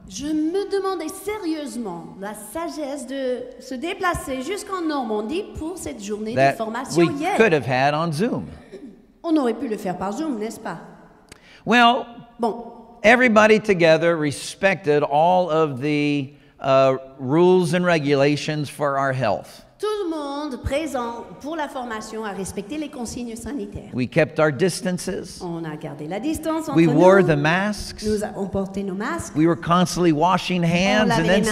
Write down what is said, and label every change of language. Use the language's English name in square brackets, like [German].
[French] Je me demandais sérieusement la sagesse de se déplacer jusqu'en Normandie pour cette journée de formation [English] we [French] hier. [English] Could have had on Zoom. [French] On aurait pu le faire par Zoom, n'est-ce pas? [English] Well, [French] bon. [English] Everybody together respected all of the rules and regulations for our health. [French] Tout le monde présent pour la formation a respecté les consignes sanitaires. [English] We kept our distances. [French] On a gardé la distance entre nous. [English] We wore the masks. [French] Nous avons porté nos masques. [English] We were constantly washing hands and then sanitizing them.